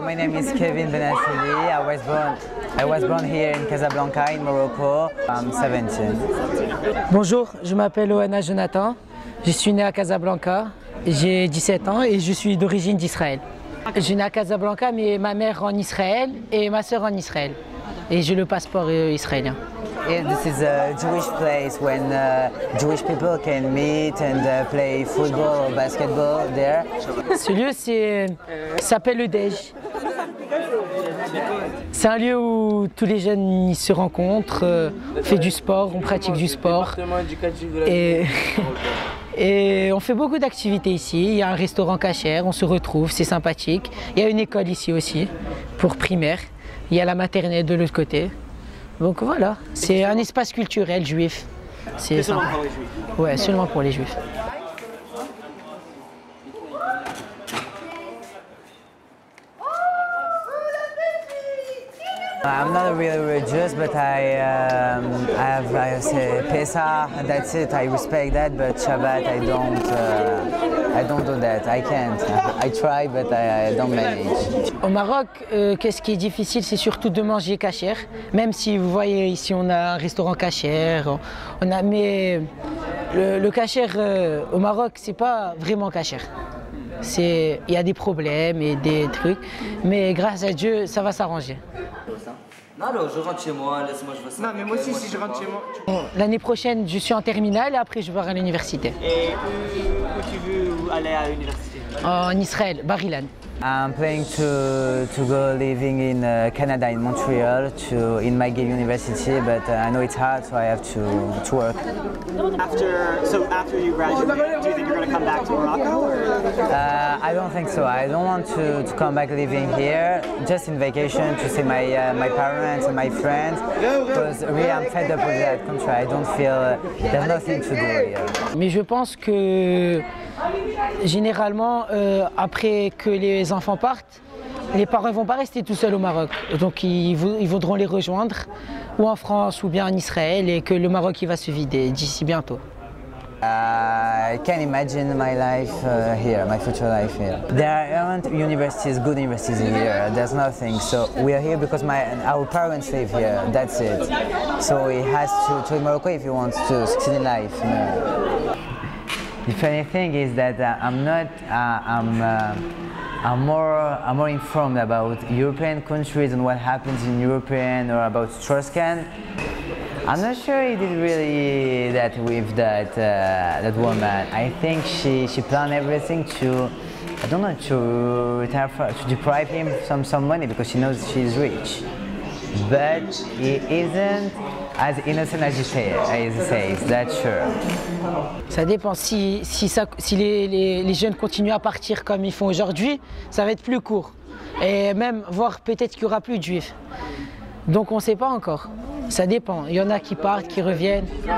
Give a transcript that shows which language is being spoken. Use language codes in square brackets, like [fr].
[en] So my name is Kevin Benassili. I was born here in Casablanca, in Morocco. I'm 17. [fr] Bonjour, je m'appelle Oana Jonathan. Je suis né à Casablanca. J'ai 17 ans et je suis d'origine d'Israël. Je suis né à Casablanca, mais ma mère en Israël et ma sœur en Israël. Et j'ai le passeport israélien. [en] Yeah, this is a Jewish place when Jewish people can meet and play football or basketball there. [fr] Ce lieu s'appelle le Dej. C'est un lieu où tous les jeunes y se rencontrent, on fait du sport, on pratique du sport. Et on fait beaucoup d'activités ici. Il y a un restaurant cachère, on se retrouve, c'est sympathique. Il y a une école ici aussi, pour primaire. Il y a la maternelle de l'autre côté. Donc voilà, c'est un espace culturel juif. C'est seulement pour les juifs. Ouais, seulement pour les juifs. [en] I'm not really religious, but I have Pesach, that's it. I respect that, but Shabbat, I don't do that. I can't. I try, but I don't manage. [fr] Au Maroc, qu'est-ce qui est difficile, c'est surtout de manger cachère. Même si vous voyez ici, on a un restaurant cachère. On a mais le cachère au Maroc, c'est pas vraiment cachère. C'est il y a des problèmes et des trucs, mais grâce à Dieu, ça va s'arranger. Non, je rentre chez moi, laisse-moi, je vais. Non, mais moi aussi, si je rentre chez moi. L'année prochaine, je suis en terminale et après, je vais à l'université. Et où tu veux aller à l'université? En Israël, Bar Ilan. [en] I'm planning to go living in Canada, in Montreal, in McGill University, but I know it's hard, so I have to work. After you graduate, do you think you're going to come back to Morocco? I don't think so. I don't want to come back living here, just in vacation, to see my parents and my friends, because really I'm fed up with that country. I don't feel there's nothing to do here. [fr] Mais je pense que généralement, après que les enfants partent, les parents ne vont pas rester tout seuls au Maroc. Donc ils voudront les rejoindre, ou en France, ou bien en Israël, et que le Maroc il va se vider d'ici bientôt. [en] I can't imagine my life here, my future life here. There aren't universities, good universities here, there's nothing. So we are here because our parents live here, that's it. So he has to Morocco if he wants to succeed in life. You know. The funny thing is that I'm more informed about European countries and what happens in European or about Truscan. I'm not sure he did really that with that that woman. I think she planned everything to deprive him some money because she knows she's rich. But he isn't as innocent as he says, that's sure. [fr] Ça dépend. Si les jeunes continuent à partir comme ils font aujourd'hui, ça va être plus court. Et même, voire peut-être qu'il n'y aura plus de juifs. Donc on ne sait pas encore. Ça dépend. Il y en a qui partent, qui reviennent.